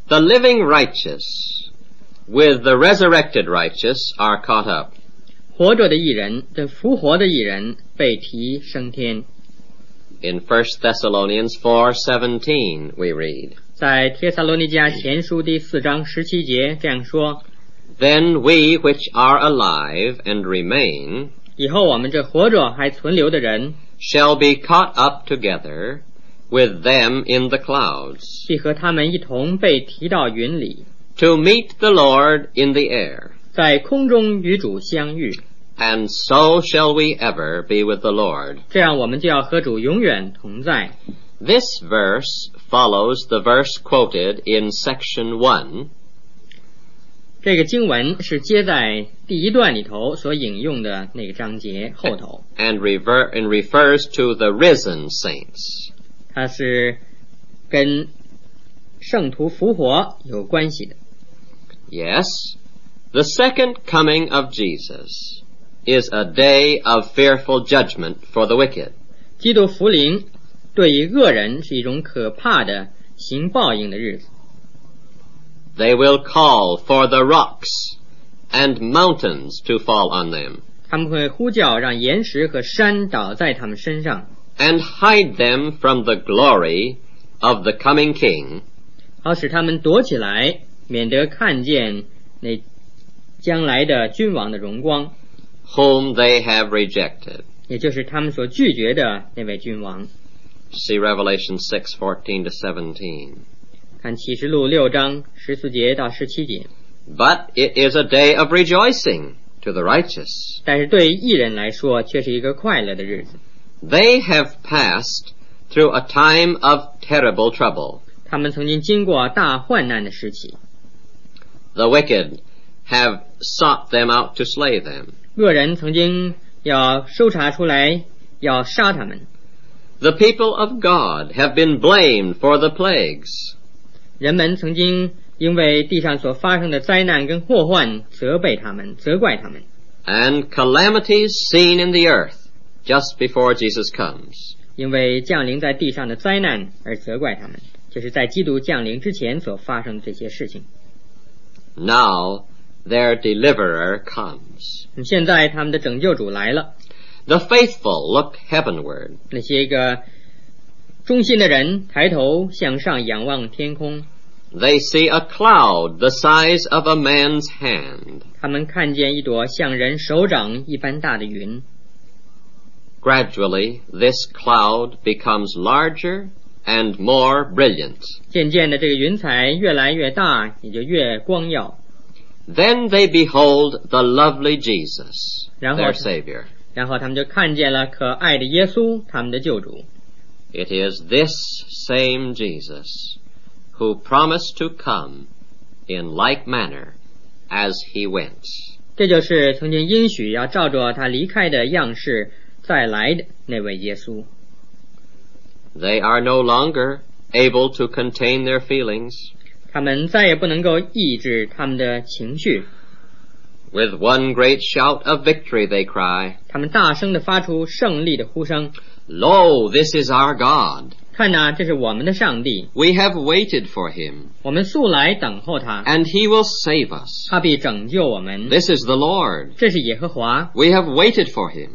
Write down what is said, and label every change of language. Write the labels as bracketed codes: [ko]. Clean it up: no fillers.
[en] The living righteous with the resurrected righteous are caught up. [zh] 活着的义人跟复活的义人被提升天。 [en] In 1 Thessalonians 4:17 we read, [zh] 在帖撒罗尼迦前书第四章十七节这样说， [en] Then we which are alive and remain, [zh] 以后我们这活着还存留的人， [en] shall be caught up together with them in the clouds, [zh] 必和他们一同被提到云里， [en] to meet the Lord in the air, [zh] 在空中与主相遇， [en] and so shall we ever be with the Lord, [zh] 这样我们就要和主永远同在。 [en] This verse follows the verse quoted in section 1. [zh] 这个经文是接在第一段里头所引用的那个章节后头。 [en] And refers to the risen saints. [zh] 它是跟圣徒复活有关系的。 [en] Yes, the second coming of Jesus is a day of fearful judgment for the wicked. [zh] 基督复临对于恶人是一种可怕的行报应的日子。 [en] They will call for the rocks and mountains to fall on them. [zh] 他们会呼叫让岩石和山倒在他们身上。 [en] And hide them from the glory of the coming king. [zh] 好使他们躲起来，免得看见那将来的君王的荣光。 [en] Whom they have rejected. [zh] 也就是他们所拒绝的那位君王。 [en] See Revelation 6:14-17. [zh] 看启示录六章十四节到十七节。 [en] But it is a day of rejoicing to the righteous. [zh] 但是对义人来说却是一个快乐的日子。 [en] They have passed through a time of terrible trouble. [zh] 他们曾经经过大患难的时期。 [en] The wicked have sought them out to slay them. [zh] 恶人曾经要搜查出来要杀他们。 [en] The people of God have been blamed for the plagues. [zh] 人们曾经因为地上所发生的灾难跟祸患责备他们，责怪他们。 [en] And calamities seen in the earth just before Jesus comes. [zh] 因为降临在地上的灾难而责怪他们，就是在基督降临之前所发生的这些事情。 [en] Now their deliverer comes. [zh] 现在他们的拯救主来了。 [en] The faithful look heavenward. [zh] 那些一个忠心的人抬头向上仰望天空。 [en] They see a cloud the size of a man's hand. [zh] 他们看见一朵像人手掌一般大的云。 [en] Gradually, this cloud becomes larger and more brilliant. [zh] 渐渐的，这个云彩越来越大，也就越光耀。 [en] Then they behold the lovely Jesus, their Savior. [zh] 然后他们就看见了可爱的耶稣，他们的救主。 [en] It is this same Jesus. Who promised to come in like manner as he went. [zh] 这就是曾经应许要照着他离开的样式再来的那位耶稣。 [en] They are no longer able to contain their feelings. [zh] 他们再也不能够抑制他们的情绪。 [en] With one great shout of victory, they cry. [zh] 他们大声地发出胜利的呼声。 [en] Lo, this is our God. [zh] 看啊，这是我们的上帝。 [en] We have waited for him. [zh] 我们素来等候他。 [en] And he will save us. [zh] 他必拯救我们。 [en] This is the Lord. [zh] 这是耶和华。 [en] We have waited for him.